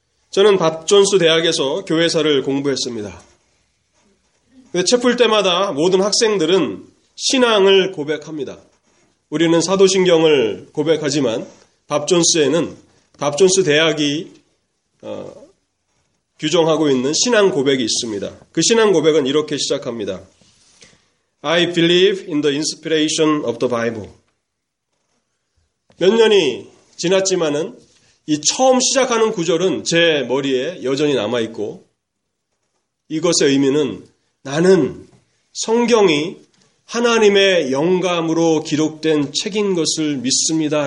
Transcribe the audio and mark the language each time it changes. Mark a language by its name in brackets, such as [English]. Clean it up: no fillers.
[Korean] 저는 밧존스 대학에서 교회사를 공부했습니다. 채플 때마다 모든 학생들은 신앙을 고백합니다. 우리는 사도신경을 고백하지만 밧존스에는 밧존스 대학이 규정하고 있는 신앙 고백이 있습니다. 그 신앙 고백은 이렇게 시작합니다. [English] I believe in the inspiration of the Bible. [Korean] 몇 년이 지났지만은 이 처음 시작하는 구절은 제 머리에 여전히 남아있고 이것의 의미는 나는 성경이 하나님의 영감으로 기록된 책인 것을 믿습니다.